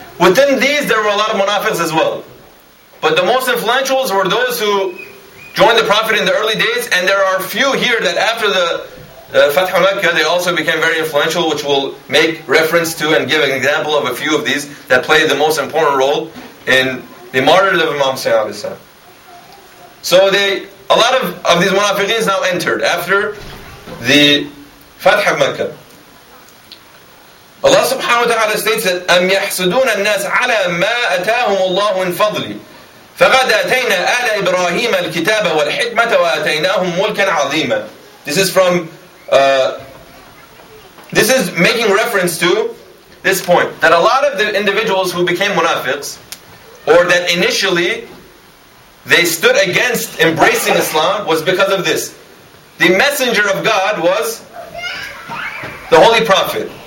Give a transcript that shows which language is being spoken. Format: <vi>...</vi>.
<en>Within these, there were a lot of munafiqs as well. But the most influential were those who joined the Prophet in the early days, and there are few here that after the Fathul Mecca, they also became very influential, which we'll make reference to and give an example of a few of these that played the most important role in the martyrdom of Imam Hussein alayhi salam. So a lot of these munafiqins now entered after the Fathul Mecca. Allah subhanahu wa ta'ala states that</en> <ar>أَمْ يَحْسُدُونَ النَّاسَ عَلَى مَا أَتَاهُمُ اللَّهُ مِنْ فَضْلِ فَقَدْ أَتَيْنَا آلَ إِبْرَاهِيمَ الْكِتَابَ وَالْحِكْمَةَ وَأَتَيْنَاهُمْ مُلْكًا عَظِيمًا.</ar> <en>This is from... this is making reference to this point, that a lot of the individuals who became munafiqs, or that initially they stood against embracing Islam, was because of this. The messenger of God was the Holy Prophet.</en>